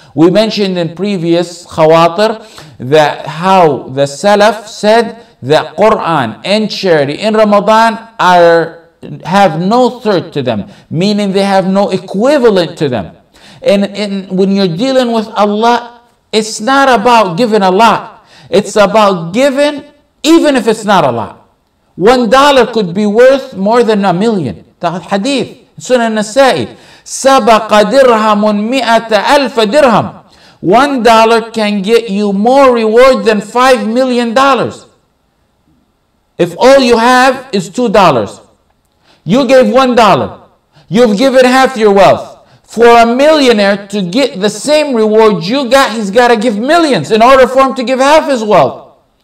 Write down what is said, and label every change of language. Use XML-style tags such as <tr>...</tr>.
<en>We mentioned in previous khawatir that how the Salaf said that Quran and charity in Ramadan have no third to them, meaning they have no equivalent to them. And when you're dealing with Allah, it's not about giving a lot. It's about giving, even if it's not a lot. $1 could be worth more than $1,000,000. The hadith,</en> <ar>Sunan Nasa'i, سَبَقَ دِرْهَمٌ مِئَةَ أَلْفَ دِرْهَمٌ.</ar> <en>$1 can get you more reward than $5,000,000. If all you have is $2, you gave $1, you've given half your wealth. For a millionaire to get the same reward you got, he's got to give millions in order for him to give half his wealth.</en>